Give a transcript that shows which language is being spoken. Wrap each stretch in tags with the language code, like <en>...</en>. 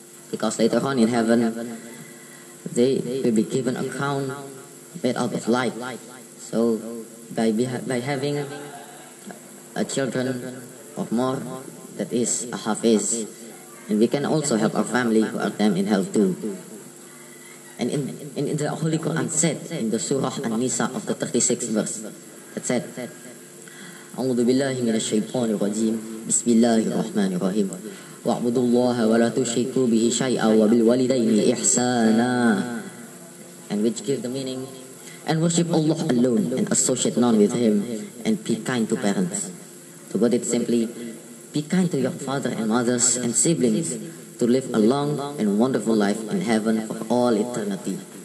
<en>Because later on in heaven, they will be given a crown made out of light. So by having a children of more, that is a hafiz. And we can also help our family who are them in hell too. And in the Holy Quran said, in the Surah An-Nisa of the 36th verse, it said,</en> <ar>أعوذ بالله من الشيطان الرجيم بسم الله الرحمن الرحيم واعبدوا الله ولا تشركوا به شيئا وبالوالدين إحسانا.</ar> <en>And which give the meaning, and worship Allah alone and associate none with Him, and be kind to parents. To put it simply, be kind to your father and mothers and siblings to live a long and wonderful life in heaven for all eternity.</en>